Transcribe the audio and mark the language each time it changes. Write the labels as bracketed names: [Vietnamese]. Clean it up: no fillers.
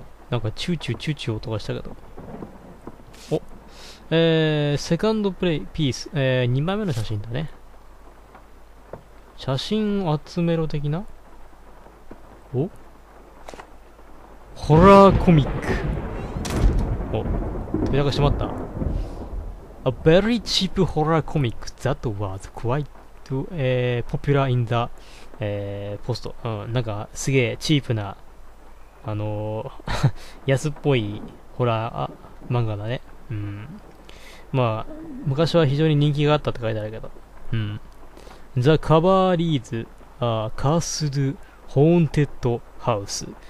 [Japanese] なんかチューチューチューチュー音がしたけど。お、セカンドプレイピース、2枚目の写真だね。写真集めろ的な。お、ホラーコミック。お、扉が閉まった。 [English] A very cheap horror comic that was quite、popular in the、ポスト。 [Japanese] なんかすげえチープな、安っぽいホラー漫画だね。まあ、昔は非常に人気があったって書いてあるけど。 [English] The cover reads, a cursed haunted house.